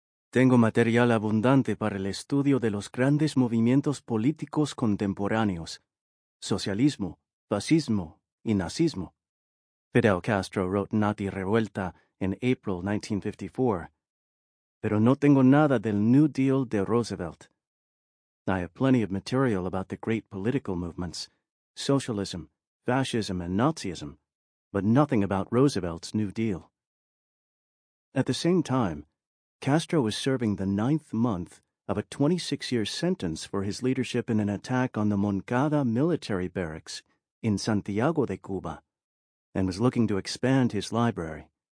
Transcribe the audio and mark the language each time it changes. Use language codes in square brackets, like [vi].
[es] Tengo material abundante para el estudio de los grandes movimientos políticos contemporáneos, socialismo, fascismo y nazismo. [en] Fidel Castro wrote Nati Revuelta in April 1954. [es] Pero no tengo nada del New Deal de Roosevelt. [en] I have plenty of material about the great political movements, socialism, fascism, and Nazism, but nothing about Roosevelt's New Deal. At the same time, Castro was serving the 9th month of a 26-year sentence for his leadership in an attack on the Moncada military barracks in Santiago de Cuba, and was looking to expand his library.